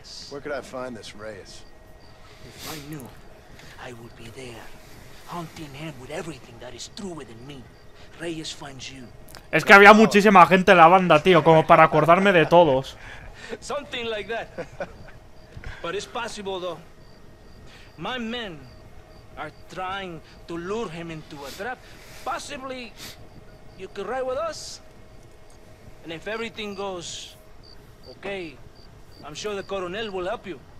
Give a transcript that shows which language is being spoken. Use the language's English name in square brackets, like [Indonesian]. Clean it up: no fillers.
[English] Where could I find this Reyes? If I knew, I would be there, hunting him with everything that is true within me. Reyes finds you. [Spanish] Es que había muchísima gente en la banda, tío, como para acordarme de todos. [English] Something like that. But it's possible, though. My men are trying to lure him into a trap. Possibly, you could ride with us. And if everything goes okay, I'm sure the Coronel will help you.